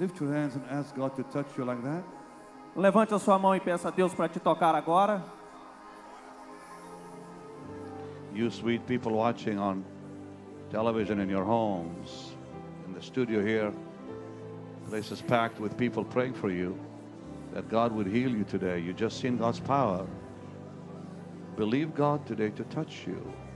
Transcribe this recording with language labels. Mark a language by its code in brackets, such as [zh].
[en] Lift your hands and ask God to touch you like that. [pt] Levante a sua mão e peça a Deus para te tocar agora. [en] You sweet people watching on television in your homes, in the studio here, places packed with people praying for you, that God would heal you today. You just seen God's power. Believe God today to touch you.